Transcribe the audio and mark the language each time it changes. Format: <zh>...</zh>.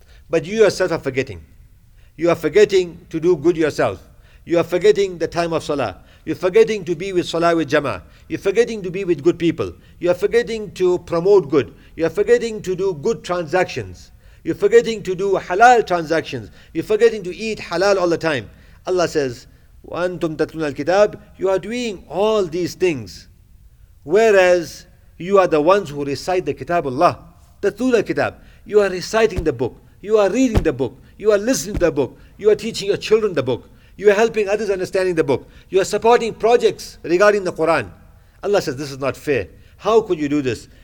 <en>But you yourself are forgetting. You are forgetting to do good yourself. You are forgetting the time of salah. You're forgetting to be with salah with jama'ah. You're forgetting to be with good people. You are forgetting to promote good. You are forgetting to do good transactions. You're forgetting to do halal transactions. You're forgetting to eat halal all the time. Allah says,</en> <ar>وَأَنْتُمْ تَتْلُونَ الْكِتَابِ.</ar> <en>You are doing all these things. Whereas you are the ones who recite the Kitabullah.</en> <ar>Tatlul al-Kitab.</ar> <en>You are reciting the book. You are reading the book. You are listening to the book. You are teaching your children the book. You are helping others understanding the book. You are supporting projects regarding the Quran. Allah says, this is not fair. How could you do this?</en>